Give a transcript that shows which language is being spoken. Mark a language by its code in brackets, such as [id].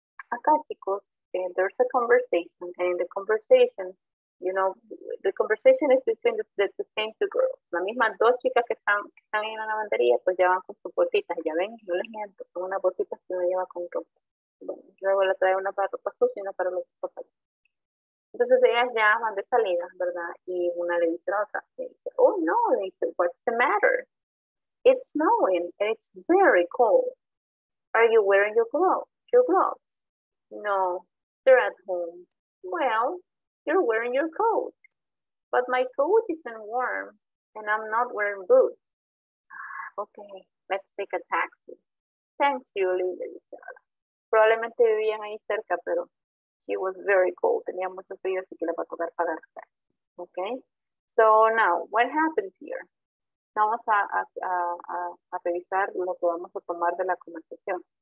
[es] Acá, chicos, [en] there's a conversation, and in the conversation, you know, the conversation is between the same two girls. [es] La misma dos chicas que están ahí en la lavandería, pues ya van con sus botitas, ya ven, no les miento, son unas botitas que uno lleva con ropa. Bueno, luego le trae una para ropa sucia y una para los papás. Entonces ellas ya van de salida, ¿verdad? Y una le dice a la otra, dice, [en] oh no, [es] le dice, [en] what's the matter? It's snowing and it's very cold. Are you wearing your gloves? No, they're at home. Well, you're wearing your coat. But my coat isn't warm and I'm not wearing boots. Okay, let's take a taxi. Thanks, Julie, [es] le dice a la otra. Probablemente vivían ahí cerca, pero [en] it was very cold. [es] Tenía mucho frío, así que le va a tocar pagar. Okay? [en] So now, what happens here? [es] Vamos a revisar lo que vamos a tomar de la conversación.